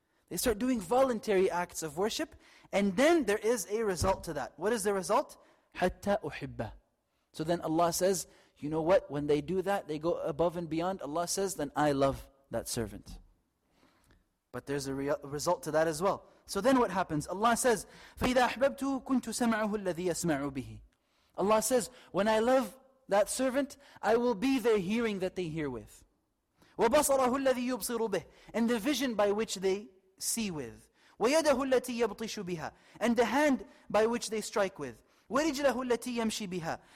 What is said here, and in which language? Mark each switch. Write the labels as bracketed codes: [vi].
[en] They start doing voluntary acts of worship, and then there is a result to that. What is the result? [ar] حَتَّى أُحِبَّ. [en] So then Allah says, you know what? When they do that, they go above and beyond. Allah says, then I love that servant. But there's a result to that as well. So then what happens? Allah says, [ar] فَإِذَا أَحْبَبْتُهُ كُنْتُ سَمْعَهُ الَّذِي يَسْمَعُ بِهِ. [en] Allah says, when I love that servant, I will be their hearing that they hear with. [ar] وَبَصَرَهُ الَّذِي يُبْصِرُ بِهِ. [en] And the vision by which they see with. [ar] وَيَدَهُ الَّتِي يَبْطِشُ بِهَا. [en] And the hand by which they strike with. [ar] وَرِجْلَهُ الَّتِي يَمْشِي بِهَا.